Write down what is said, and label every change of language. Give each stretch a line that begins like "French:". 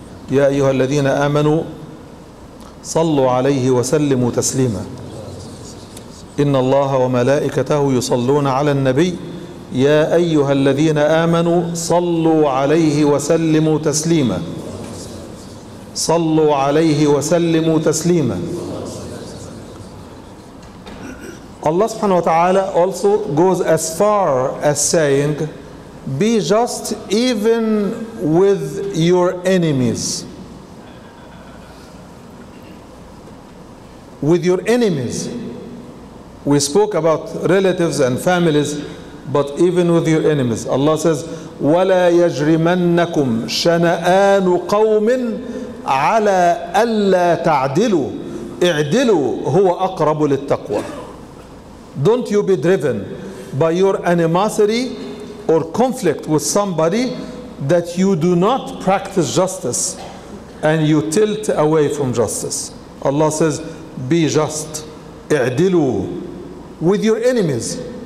Arabic: يا أيها الذين آمنوا صلوا عليه وسلموا تسليما. إن الله وملائكته يصلون على النبي يا أيها الذين آمنوا صلوا عليه وسلموا تسليما. صلوا عليه وسلموا تسليما. الله سبحانه وتعالى
English: also goes as far as saying be just even with your enemies. With your enemies. We spoke about relatives and families, but even with your enemies. Allah says
Arabic: وَلَا يَجْرِمَنَّكُمْ شَنَآنُ قَوْمٍ عَلَىٰ أَلَّا تَعْدِلُوا اِعْدِلُوا هُوَ أَقْرَبُ لِلتَّقْوَى.
English: Don't you be driven by your animosity or conflict with somebody that you do not practice justice and you tilt away from justice. Allah says be just, اِعْدِلُوا with your enemies.